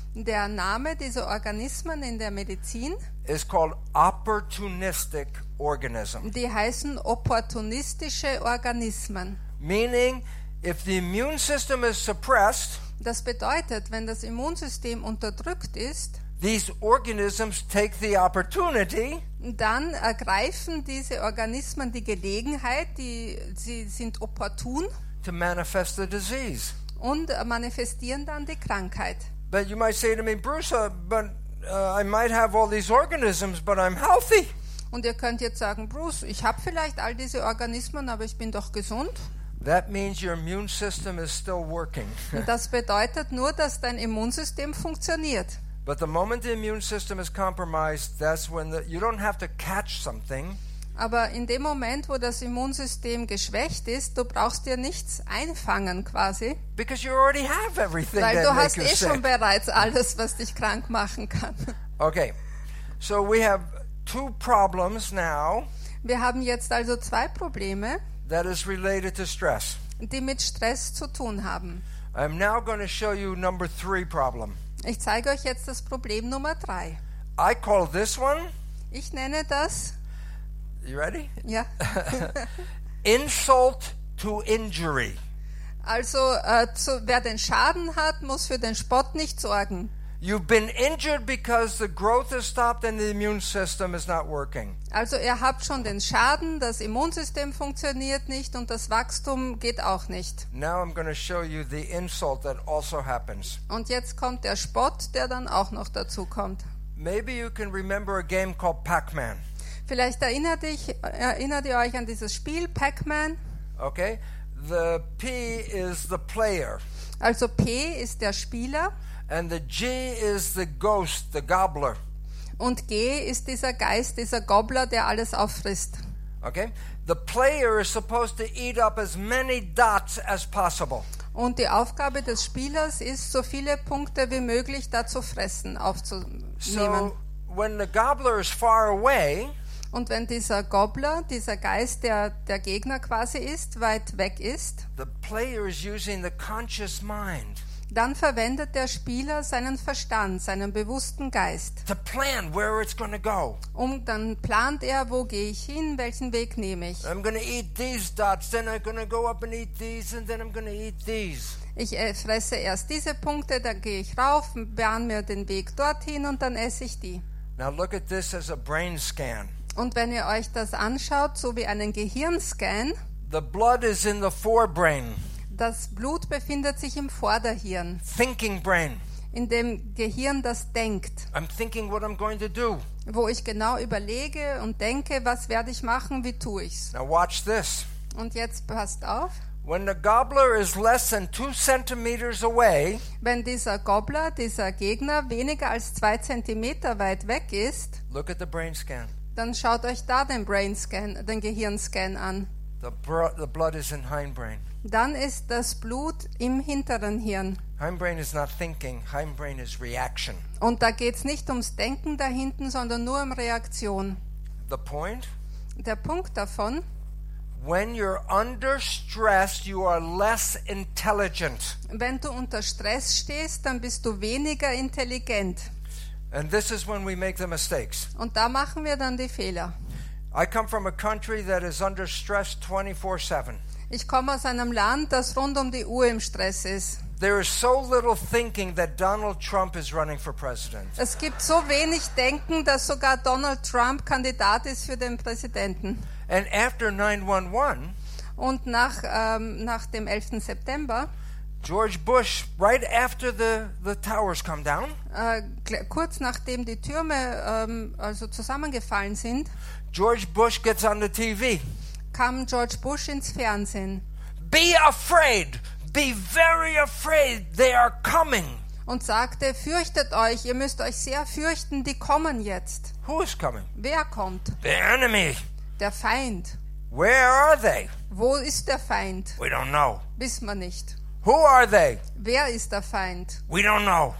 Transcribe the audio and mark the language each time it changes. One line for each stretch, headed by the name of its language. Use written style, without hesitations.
German: Der Name dieser Organismen in der Medizin.
English: Is called opportunistic organism.
German: Die heißen opportunistische Organismen.
English: Meaning, if the immune system is suppressed,
German: das bedeutet, wenn das Immunsystem unterdrückt ist,
English: these organisms take the opportunity,
German: dann ergreifen diese Organismen die Gelegenheit, sie sind opportun,
English: to manifest the disease.
German: Und manifestieren dann die Krankheit.
English: But you might say to me, Bruce, but I might have all these organisms, but I'm healthy.
German: Und ihr könnt jetzt sagen, Bruce, ich habe vielleicht all diese Organismen, aber ich bin doch gesund.
English: That means your immune system is still working.
German: Das bedeutet nur, dass dein Immunsystem funktioniert.
English: But the moment the immune system is compromised, that's when you don't have to catch something.
German: Aber in dem Moment, wo das Immunsystem geschwächt ist, du brauchst dir nichts einfangen quasi.
English: Because you already have everything that makes you sick.
German: Weil du hast schon bereits alles, was dich krank machen kann.
English: Okay, so we have two problems now.
German: Wir haben jetzt also zwei Probleme.
English: That is related to stress.
German: Die mit Stress zu tun haben.
English: I'm now going to show you number three problem.
German: Ich zeige euch jetzt das Problem Nummer drei.
English: I call this one.
German: Ich nenne das.
English: You ready?
German: Ja.
English: Insult to injury.
German: Also wer den Schaden hat, muss für den Spott nicht sorgen.
English: You've been injured because the growth has stopped and the immune system is not working.
German: Also ihr habt schon den Schaden, das Immunsystem funktioniert nicht und das Wachstum geht auch nicht.
English: Now I'm going to show you the insult that also happens.
German: Und jetzt kommt der Spott, der dann auch noch dazu kommt.
English: Maybe you can remember a game called Pac-Man.
German: Vielleicht erinnert ihr euch an dieses Spiel Pac-Man.
English: Okay, the P is the player.
German: Also P ist der Spieler.
English: And the G is the ghost, the gobbler.
German: Und G ist dieser Geist, dieser Gobbler, der alles auffrisst.
English: Okay. The player is supposed to eat up as many dots as possible.
German: Und die Aufgabe des Spielers ist, so viele Punkte wie möglich da zu fressen, aufzunehmen.
English: So, when the gobbler is far away,
German: und wenn dieser Gobbler, dieser Geist, der Gegner quasi ist, weit weg ist,
English: the player is using the conscious mind,
German: dann verwendet der Spieler seinen Verstand, seinen bewussten Geist,
English: to plan where it's gonna go.
German: Und dann plant er, wo gehe ich hin, welchen Weg nehme ich.
English: I'm gonna eat these dots, then I'm gonna go up and eat these, and then I'm gonna eat these.
German: Ich fresse erst diese Punkte, dann gehe ich rauf, bahne mir den Weg dorthin und dann esse ich die.
English: Now look at this as a brain scan.
German: Und wenn ihr euch das anschaut, so wie einen Gehirnscan,
English: the blood is in the forebrain.
German: Das Blut befindet sich im Vorderhirn,
English: thinking brain.
German: In dem Gehirn, das denkt.
English: I'm thinking what I'm going to do.
German: Wo ich genau überlege und denke, was werde ich machen, wie tue ich's.
English: Now watch this.
German: Und jetzt passt auf.
English: When the gobbler is less than 2 centimeters away,
German: wenn dieser Gobbler, dieser Gegner weniger als 2 Zentimeter weit weg ist,
English: look at the brain scan.
German: Dann schaut euch da den brain scan, den Gehirnscan an.
English: The blood is in hindbrain.
German: Dann ist das Blut im hinteren Hirn.
English: Hindbrain is not thinking, hindbrain is reaction.
German: Und da geht's nicht ums Denken da hinten, sondern nur um Reaktion.
English: The point?
German: Der Punkt davon.
English: When you're under stress, you are less intelligent.
German: Wenn du unter Stress stehst, dann bist du weniger intelligent.
English: And this is when we make the mistakes.
German: Und da machen wir dann die Fehler.
English: I come from a country that is under stress 24/7.
German: Ich komme aus einem Land, das rund um die Uhr im Stress ist.
English: There is so little thinking that Donald Trump is running for president.
German: Es gibt so wenig Denken, dass sogar Donald Trump Kandidat ist für den Präsidenten.
English: And after 9/11,
German: und nach dem 11. September,
English: George Bush, right after the towers come down,
German: kurz nachdem die Türme also zusammengefallen sind,
English: George Bush gets on the TV.
German: Kam George Bush ins Fernsehen.
English: Be afraid, be very afraid, they are coming.
German: Und sagte, fürchtet euch, ihr müsst euch sehr fürchten, die kommen jetzt.
English: Who is coming?
German: Wer kommt?
English: The enemy.
German: Der Feind.
English: Where are they?
German: Wo ist der Feind?
English: We don't know.
German: Wissen wir nicht.
English: Who are they?
German: Wer ist der Feind?
English: We don't know.